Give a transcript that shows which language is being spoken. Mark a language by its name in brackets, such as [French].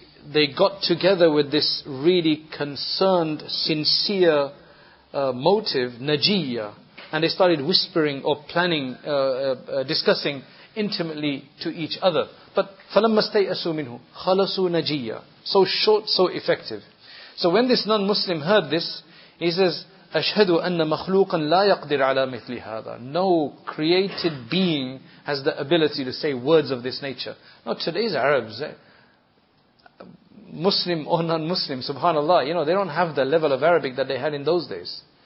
[English] They got together with this really concerned, sincere motive, najiyya, and they started whispering or planning, discussing intimately to each other. But [Arabic] فَلَمَّا اسْتَيْأَسُوا مِنْهُ خَلَصُوا نَجِيَّا. [English] So short, so effective. So when this non-Muslim heard this, he says, [Arabic] أَشْهَدُ أَنَّ مَخْلُوقًا لَا يَقْدِرْ عَلَى مِثْلِ هَذَا. [English] No created being has the ability to say words of this nature. Now today's Arabs, Muslim or non-Muslim, subhanAllah, you know, they don't have the level of Arabic that they had in those days.